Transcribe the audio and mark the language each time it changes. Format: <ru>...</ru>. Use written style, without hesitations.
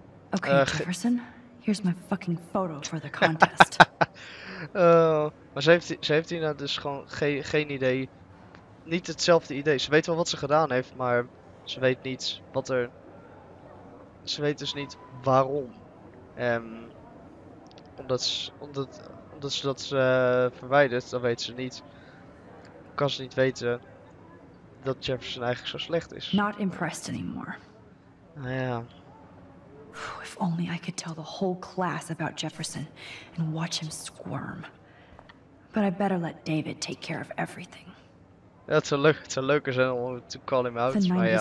<en>Jefferson, here's my fucking photo for the contest.</en> <nl>maar ze heeft hier nou dus gewoon geen idee. Niet hetzelfde idee. Ze weet wel wat ze gedaan heeft, maar ze weet niet wat er. Ze weet dus niet waarom. Omdat ze dat verwijdert, dan weet ze niet. Kan ze niet weten dat Jefferson eigenlijk zo slecht is.</nl> <en>Not impressed anymore.</en> <nl>Ja.</nl> <en>If only I could tell the whole class about Jefferson and watch him squirm. But I better let David take care of everything.</en> <nl>Ja, het zou leuker zijn om te</nl> <en>call him out,</en> <nl>maar ja.</nl>